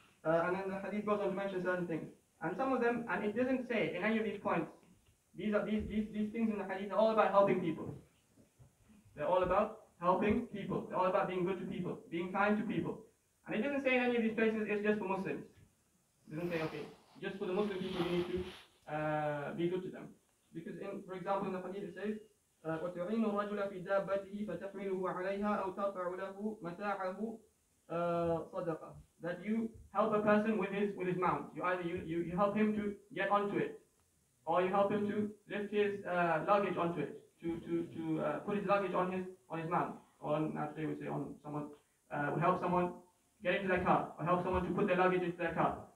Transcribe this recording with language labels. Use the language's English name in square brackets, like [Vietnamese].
[English] And then the hadith goes on to mention certain things. And some of them, and it doesn't say in any of these points, these things in the hadith are all about helping people. They're all about helping people. They're all about being good to people, being kind to people. And it doesn't say in any of these places it's just for Muslims. It doesn't say, okay, just for the Muslim people you need to be good to them. [Arabic] Because, for example, in the hadith it says, وَتُعِينُ الرَّجُلَ فِي دَابَّتِهِ فَتَحْمِلُهُ عَلَيْهَا أَوْ تَرْفَعُ لَهُ مَتَاعَهُ صَدَقَةً. [English] That you help a person with his mount. You either you help him to get onto it, or you help him to lift his luggage onto it, to put his luggage on his mount. Or naturally we say on someone, we help someone get into their car, or help someone to put their luggage into their car.